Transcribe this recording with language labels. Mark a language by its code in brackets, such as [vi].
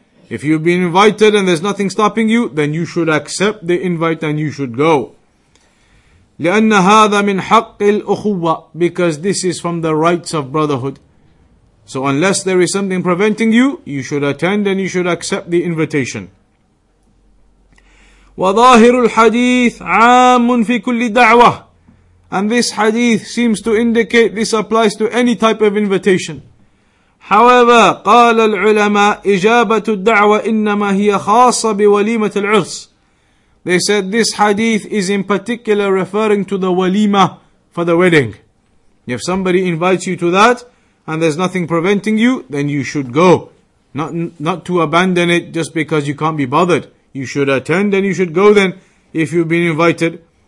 [en] If you've been invited and there's nothing stopping you, then you should accept the invite and you should go. [ar] لأن هذا من حق الأخوة, [en] because this is from the rights of brotherhood. So unless there is something preventing you, you should attend and you should accept the invitation. [ar] وظاهر الحديث عام في كل دعوة. [en] And this hadith seems to indicate this applies to any type of invitation. [ar] However, قال العلماء إجابة الدعوة إنما هي خاصة بوليمة العرس. [en] They said this hadith is in particular referring to the walima for the wedding. If somebody invites you to that and there's nothing preventing you, then you should go. Not to abandon it just because you can't be bothered. You should attend and you should go then if you've been invited.